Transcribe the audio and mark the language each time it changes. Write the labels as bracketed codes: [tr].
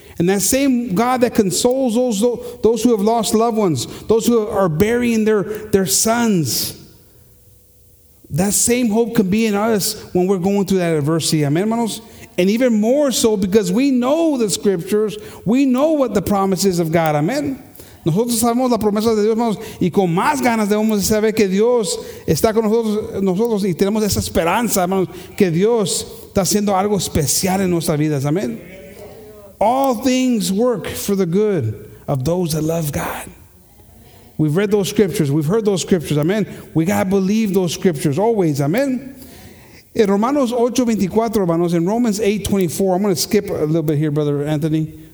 [en] And that same God that consoles those who have lost loved ones, those who are burying their sons, that same hope can be in us when we're going through that adversity. Amen, hermanos. And even more so because we know the scriptures. We know what the promises of God. Amen. [es] Nosotros sabemos la promesa de Dios, hermanos. Y con más ganas debemos saber que Dios está con nosotros y tenemos esa esperanza, hermanos, que Dios está haciendo algo especial en nuestras vidas. [en] Amen. All things work for the good of those that love God. We've read those scriptures. We've heard those scriptures. Amen. We got to believe those scriptures always. Amen. In Romanos 8:24, hermanos, in Romans 8:24, I'm going to skip a little bit here, Brother Anthony.